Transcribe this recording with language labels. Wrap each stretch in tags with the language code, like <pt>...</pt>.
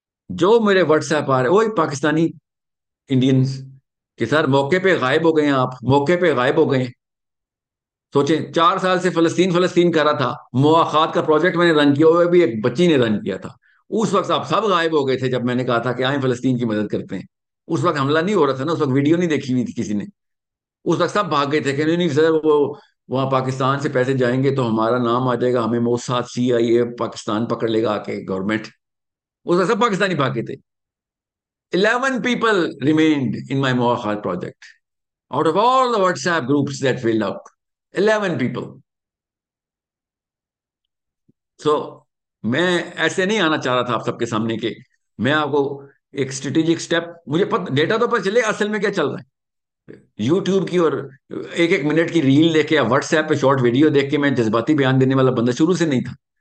<hi>जो मेरे व्हाट्सएप आ रहे, वो एक पाकिस्तानी इंडियंस के, सर मौके पे गायब हो गए आप, मौके पे गायब हो गए, सोचे 4 साल से फलस्तीन फलस्तीन कर रहा था, मुआखात का प्रोजेक्ट मैंने रन किया, वो भी एक बच्ची ने रन किया था, उस वक्त आप सब गायब हो गए थे जब मैंने कहा था कि आए फलस्तीन की मदद करते हैं, उस वक्त हमला नहीं हो रहा था ना, उस वक्त वीडियो नहीं देखी हुई थी किसी ने, उस वक्त सब भाग गए थे कि नहीं सर वो वहां पाकिस्तान से पैसे जाएंगे तो हमारा नाम आ जाएगा, हमें मोसाद CIA पाकिस्तान पकड़ लेगा आके, गवर्नमेंट, उस वक्त सब पाकिस्तानी भागे थे,</hi> <en>11 people remained in my Mohar project. Out of all the WhatsApp groups that filled up, 11 people.</en> <hi>So, मैं ऐसे नहीं आना चाह रहा था आप सबके सामने कि मैं आपको एक स्ट्रेटेजिक स्टेप, मुझे पता डेटा तो पता चले असल में क्या चल रहा है. YouTube की और एक एक मिनट की रील देख के या WhatsApp पे शॉर्ट वीडियो देख के मैं जज्बाती बयान देने वाला बंदा शुरू से नहीं था.</hi>